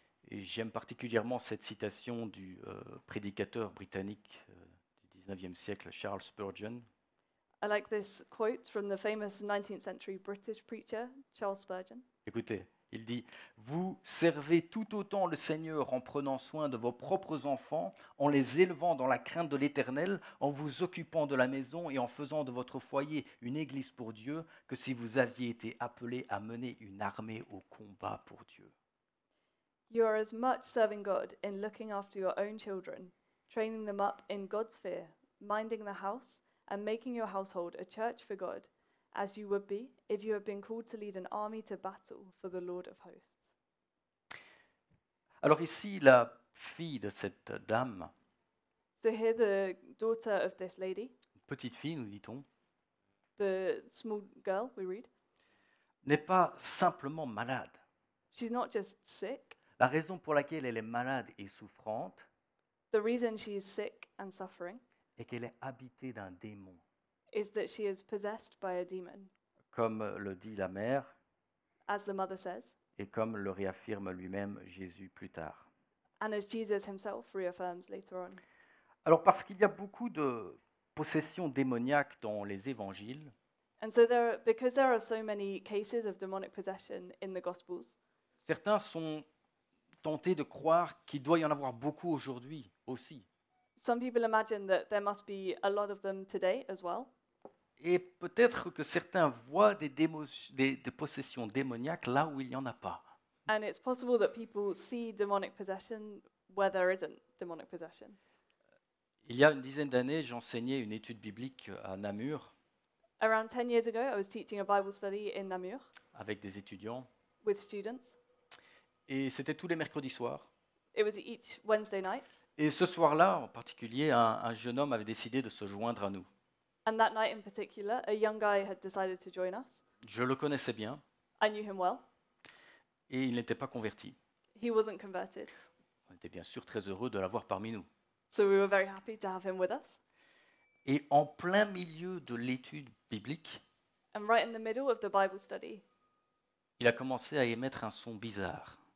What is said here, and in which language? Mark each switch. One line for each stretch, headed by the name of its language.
French: Et j'aime particulièrement cette citation du prédicateur britannique du 19e siècle, Charles Spurgeon.
English: I like this quote from the famous 19th century British preacher, Charles Spurgeon.
French: Écoutez, il dit, vous servez tout autant le Seigneur en prenant soin de vos propres enfants, en les élevant dans la crainte de l'Éternel, en vous occupant de la maison et en faisant de votre foyer une église pour Dieu, que si vous aviez été appelé à mener une armée au combat pour Dieu.
English: You are as much serving God in looking after your own children, training them up in God's fear, minding the house, and making your household a church for God, as you would be if you had been called to lead an army to battle for the Lord of hosts.
French: Alors ici, la fille de cette dame.
English: So here, the daughter of this lady.
French: Petite fille, nous dit-on.
English: The small girl, we read.
French: N'est pas simplement malade.
English: She's not just sick.
French: La raison pour laquelle elle est malade et souffrante,
English: the reason she is sick and suffering,
French: est qu'elle est habitée d'un démon.
English: Is that she is possessed by a demon.
French: Comme le dit la mère,
English: as the mother says,
French: et comme le réaffirme lui-même Jésus plus tard.
English: And as Jesus himself reaffirms later on.
French: Alors parce qu'il y a beaucoup de possessions démoniaques dans les évangiles,
English: and so there are, because there are so many cases of demonic possession in the Gospels,
French: certains sont tenter de croire qu'il doit y en avoir beaucoup aujourd'hui aussi.
English: Some people imagine that there must be a lot of them today as well.
French: Et peut-être que certains voient des possessions démoniaques là où il n'y en a pas.
English: And it's possible that people see demonic possession where there isn't demonic possession.
French: Il y a une dizaine d'années, j'enseignais une étude biblique à Namur.
English: Around 10 years ago, I was teaching a Bible study in Namur.
French: Avec des étudiants.
English: With students.
French: Et c'était tous les mercredis soirs.
English: It was each Wednesday night.
French: Et ce soir-là, en particulier, un jeune homme avait décidé de se joindre à nous.
English: And that night in particular, a young guy had decided to join us.
French: Je le connaissais bien.
English: I knew him well.
French: Et il n'était pas converti.
English: He wasn't converted.
French: On était bien sûr très heureux de l'avoir parmi nous.
English: So we were very happy to have him with us.
French: Et en plein milieu de l'étude biblique,
English: and right in the middle of the Bible study,
French: il a commencé à émettre un son bizarre.